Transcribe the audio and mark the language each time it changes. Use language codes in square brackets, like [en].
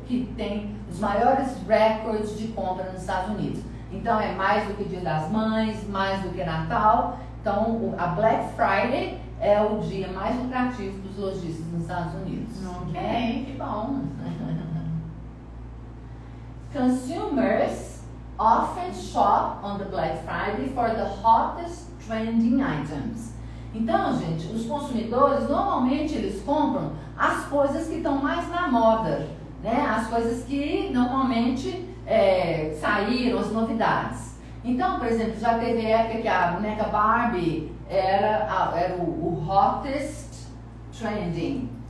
[pt] que tem os maiores recordes de compra nos Estados Unidos. Então, é mais do que Dia das Mães, mais do que Natal. Então, a Black Friday é o dia mais lucrativo dos lojistas nos Estados Unidos. Ok, que bom. [en] Consumers often shop on the Black Friday for the hottest trending items. [pt] Então, gente, os consumidores normalmente eles compram as coisas que estão mais na moda, né? As coisas que normalmente saíram, as novidades. Então, por exemplo, já teve época que a boneca Barbie era o [en] hottest trending.